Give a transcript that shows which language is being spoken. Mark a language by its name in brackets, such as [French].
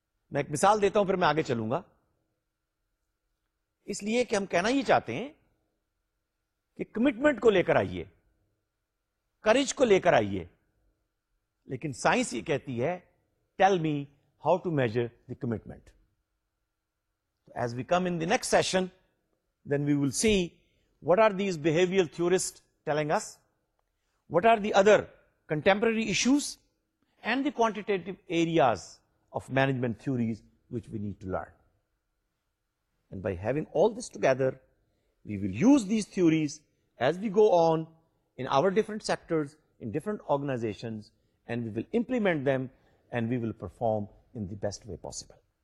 [Urdu] میں ایک مثال دیتا ہوں پھر میں آگے چلوں گا, اس لیے کہ ہم کہنا یہ چاہتے ہیں کہ کمٹمنٹ کو لے کر آئیے, کریج کو لے کر آئیے, لیکن سائنس یہ کہتی ہے [English] Tell me how to measure the commitment. As we come in the next session then we will see what are these behaviour theorist telling us, what are the other contemporary issues and the quantitative areas of management theories which we need to learn. And by having all this together, we will use these theories as we go on in our different sectors, in different organizations, and we will implement them and we will perform in the best way possible.